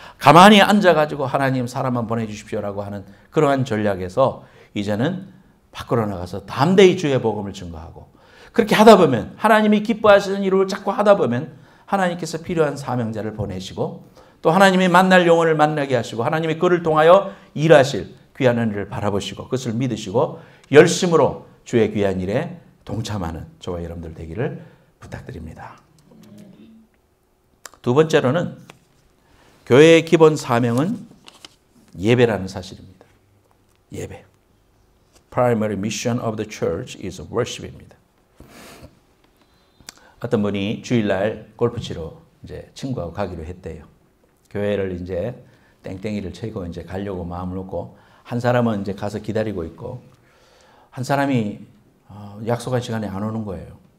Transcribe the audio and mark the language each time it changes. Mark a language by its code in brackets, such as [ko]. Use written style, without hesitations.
[ko] 가만히 앉아가지고 하나님 사람만 보내주십시오라고 하는 그러한 전략에서 이제는 밖으로 나가서 담대히 주의 복음을 증거하고 그렇게 하다 보면 하나님이 기뻐하시는 일을 자꾸 하다 보면 하나님께서 필요한 사명자를 보내시고 또 하나님이 만날 영혼을 만나게 하시고 하나님이 그를 통하여 일하실 귀한 은혜를 바라보시고 그것을 믿으시고 열심으로 주의 귀한 일에 동참하는 저와 여러분들 되기를 부탁드립니다. 두 번째로는 교회의 기본 사명은 예배라는 사실입니다. 예배. [en] Primary mission of the church is worship입니다. [ko] 어떤 분이 주일날 골프 치러 이제 친구하고 가기로 했대요. 교회를 이제 땡땡이를 치고 이제 가려고 마음을 놓고 한 사람은 이제 가서 기다리고 있고 한 사람이 약속한 시간에 안 오는 거예요.